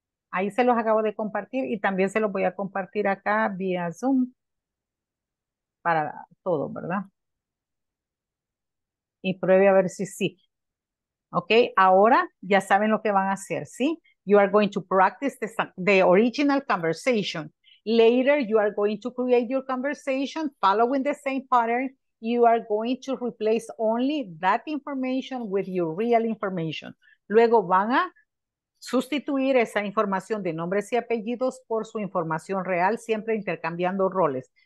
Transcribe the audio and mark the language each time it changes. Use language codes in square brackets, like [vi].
[es] Ahí se los acabo de compartir y también se los voy a compartir acá vía Zoom para todo, ¿verdad? Y pruebe a ver si sí. Ok, ahora ya saben lo que van a hacer, ¿sí? [en] You are going to practice the original conversation. Later, you are going to create your conversation following the same pattern. You are going to replace only that information with your real information. [es] Luego van a sustituir esa información de nombres y apellidos por su información real, siempre intercambiando roles.